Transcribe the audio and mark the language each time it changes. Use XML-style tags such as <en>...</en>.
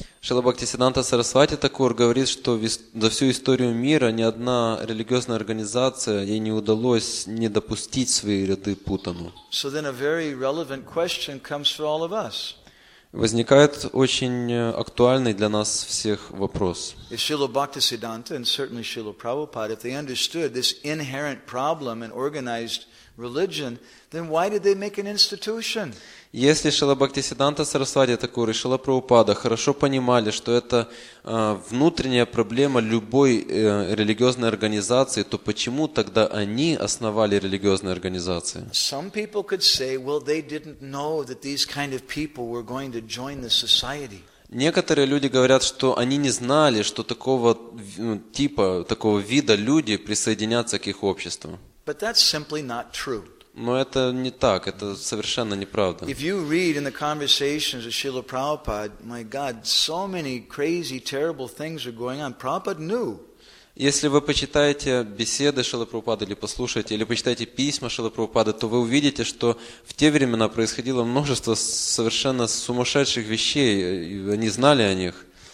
<ru>Шрила Бхактисиддханта Сарасвати Такур говорит, что за всю историю мира ни одна религиозная организация ей не удалось не допустить в свои ряды Путану.</ru> <en>So then a very relevant question comes for all of us.</en> <ru>Возникает очень актуальный для нас всех вопрос.</ru> <en>If Srila Bhaktisiddhanta and certainly Srila Prabhupada, if they understood this inherent problem in organized religion, then why did they make an institution?</en> <ru>Если Шрила Бхактисиддханта Сарасвати Такур и Шрила Прабхупада хорошо понимали, что это внутренняя проблема любой религиозной организации, то почему тогда они основали религиозные организации?</ru> <en>Some people could say, well, they didn't know that these kind of people were going to join the society.</en> <ru>Некоторые люди говорят, что они не знали, что такого типа, такого вида люди присоединятся к их обществу.</ru> <en>But that's simply not true.</en> <ru>Но это не так, это совершенно неправда.</ru> <en>If you read in the conversations of Srila Prabhupada, my God, so many crazy, terrible things are going on. Prabhupada knew.</en> <ru>Если вы почитаете беседы Шрилы Прабхупады или послушаете, или почитаете письма Шрилы Прабхупады, то вы увидите, что в те времена происходило множество совершенно сумасшедших вещей, и они знали о них.</ru>